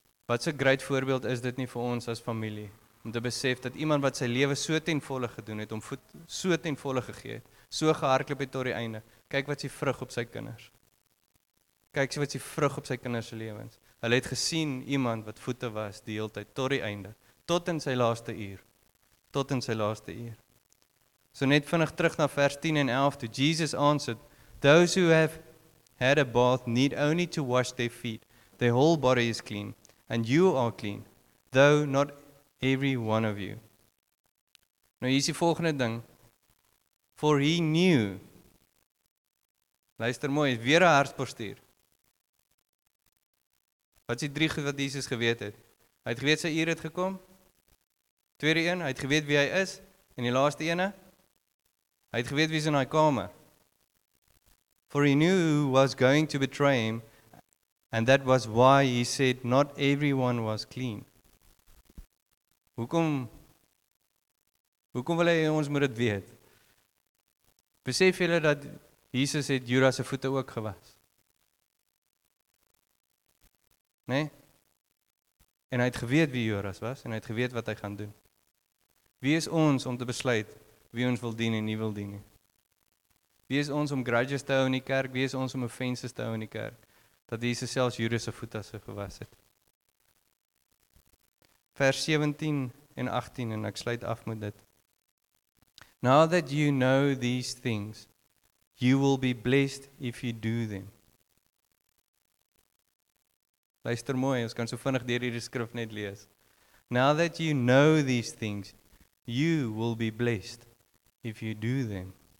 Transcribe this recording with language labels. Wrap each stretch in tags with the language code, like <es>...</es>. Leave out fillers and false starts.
<af>wat</af> <en>so great</en> <af>voorbeeld is dit nie vir ons as familie, om te besef dat iemand wat sy leven so ten volle gedoen het, om voet so ten volle gegee, so gehardloop het tot die einde, kyk wat sy vrug op sy kinders, kyk wat sy vrug op sy kinders lewens, hulle het gesien iemand wat voete was die hele tyd, tot die einde, tot in sy laaste uur, tot in sy laaste uur. So net vinnig terug na vers 10 en 11, toe</af> <en>Jesus answered, those who have had a bath need only to wash their feet, their whole body is clean, and you are clean, though not every one of you.</en> <af>Nou hier is die volgende ding,</af> <en>for he knew,</en> <af>luister mooi, weer een hartspostuur. Wat is die drie goed wat Jesus geweet het? Hy het geweet sy uur het gekom, tweede een, hy het geweet wie hy is, en die laaste ene, hy het geweet wie sy in hy kamer.</af> <en>For he knew who was going to betray him, and that was why he said not everyone was clean.</en> <af>Hoekom wil hy ons moet het weet? Besef julle dat Jesus het Judas se voete ook gewas? Nee? En hy het geweet wie Judas was, en hy het geweet wat hy gaan doen. Wie is ons om te besluit wie ons wil dien en nie wil dien? Wie is ons om grudges te hou in die kerk? Wie is ons om offenses te hou in die kerk? Dat Jesus selfs Judas se voete as gewas het. Vers 17 en 18, en ek sluit af met dit.</af> <en>Now that you know these things, you will be blessed if you do them.</en> <af>Luister mooi, ons kan so vinnig deur die skrif net lees.</af> <en>Now that you know these things, you will be blessed if you do them.</en>